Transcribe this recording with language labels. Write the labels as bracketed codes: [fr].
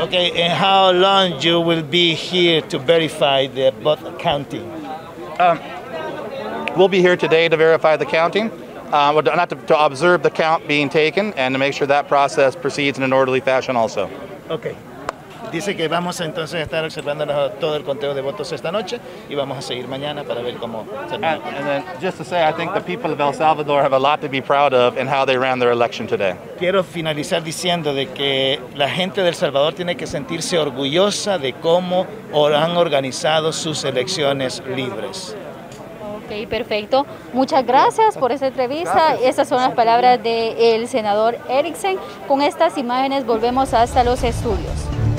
[en] Okay, and how long you will be here to verify the vote counting? We'll be here today to verify the counting. Not to observe the count being taken and to make sure that process proceeds in an orderly fashion also. Okay. [es] Dice que vamos entonces a estar observando todo el conteo de votos esta noche y vamos a seguir mañana para ver cómo termina. [en] And then just to say, I think the people of El Salvador have a lot to be proud of in how they ran their election today. [es] Quiero finalizar diciendo de que la gente de El Salvador tiene que sentirse orgullosa de cómo han organizado sus elecciones libres. Ok, perfecto. Muchas gracias por esta entrevista. Estas son las palabras del senador Ericksen. Con estas imágenes volvemos hasta los estudios.